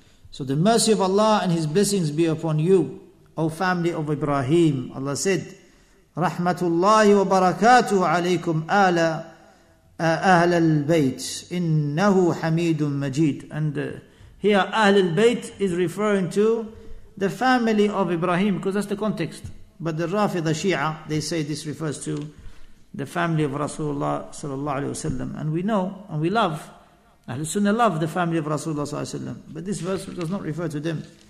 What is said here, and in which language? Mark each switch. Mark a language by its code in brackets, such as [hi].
[en] So the mercy of Allah and His blessings be upon you, O family of Ibrahim. Allah said, [ar] رحمة الله وبركاته عليكم آل أهل البيت إنه حميد مجيد. [en] And here أهل البيت is referring to the family of Ibrahim, because that's the context. But the Rafida Shia, they say this refers to the family of Rasulullah sallallahu alayhi wa sallam. And we know and we love, Ahlul Sunnah love the family of Rasulullah sallallahu alayhi wa sallam. But this verse does not refer to them.